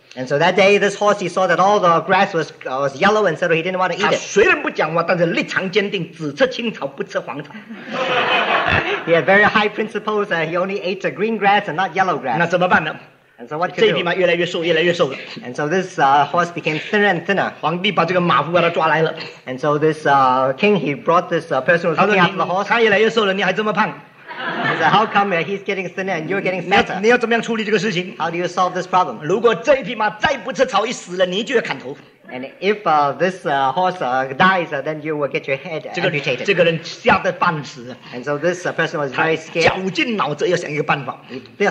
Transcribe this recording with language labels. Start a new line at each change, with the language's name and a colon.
English: And so that day, this horse, he saw that all the grass was yellow, and said he didn't want to eat it.
Chinese: 他虽然不讲话，但是立场坚定，只吃青草，不吃黄草。
English: He had very high principles, and he only ate the green grass and not yellow grass.
Chinese: 那怎么办呢？
English: And so what could do?
Chinese: 这匹马越来越瘦，越来越瘦了。
English: And so this horse became thinner and thinner.
Chinese: 皇帝把这个马夫把他抓来了。
English: And so this king, he brought this person who was looking after the horse.
Chinese: 他越来越瘦了，你还这么胖。
English: So how come he's getting thinner and you're getting fatter?
Chinese: 你要怎么样处理这个事情？
English: How do you solve this problem?
Chinese: 如果这匹马再不吃草一死了，你就要砍头。
English: And if this horse dies, then you will get your head amputated.
Chinese: 这个人吓得半死。And
English: so this person was very scared.
Chinese: 绞尽脑汁要想一个办法。He